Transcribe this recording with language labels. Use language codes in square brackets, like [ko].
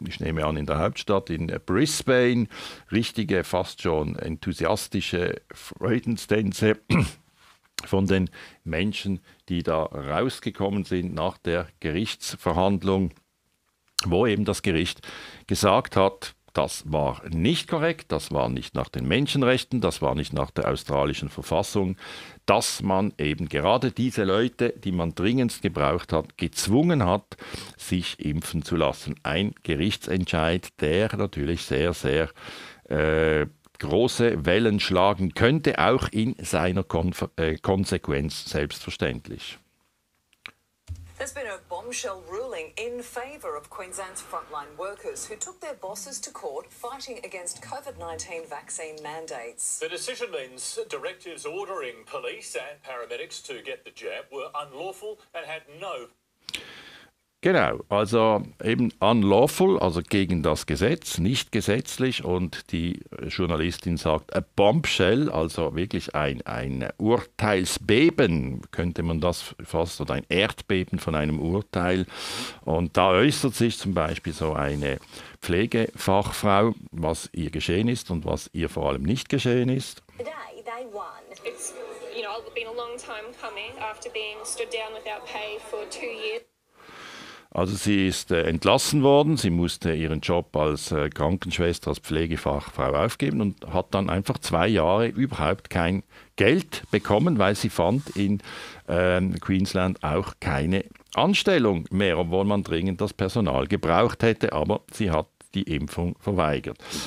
[de] Ich nehme an, in der Hauptstadt in Brisbane. Richtige, fast schon enthusiastische Freudenstänze von den Menschen, die da rausgekommen sind nach der Gerichtsverhandlung, wo eben das Gericht gesagt hat, das war nicht korrekt, das war nicht nach den Menschenrechten, das war nicht nach der australischen Verfassung, dass man eben gerade diese Leute, die man dringendst gebraucht hat, gezwungen hat, sich impfen zu lassen. Ein Gerichtsentscheid, der natürlich sehr, sehr große Wellen schlagen könnte, auch in seiner Konsequenz selbstverständlich. [en] There's been a bombshell ruling in favour of Queensland's frontline workers who took their bosses to court fighting against COVID-19 vaccine mandates. The decision means directives ordering police and paramedics to get the jab were unlawful and had no... [de] Genau, also eben unlawful, also gegen das Gesetz, nicht gesetzlich, und die Journalistin sagt [en] a bombshell, [de] also wirklich ein Urteilsbeben, könnte man das fast, oder ein Erdbeben von einem Urteil. Und da äußert sich zum Beispiel so eine Pflegefachfrau, was ihr geschehen ist und was ihr vor allem nicht geschehen ist. [en] Today they won. It's, you know, been a long time coming after being stood down without pay for 2 years. [de] Also sie ist entlassen worden, sie musste ihren Job als Krankenschwester, als Pflegefachfrau aufgeben und hat dann einfach 2 Jahre überhaupt kein Geld bekommen, weil sie fand in Queensland auch keine Anstellung mehr, obwohl man dringend das Personal gebraucht hätte, aber sie hat die Impfung verweigert.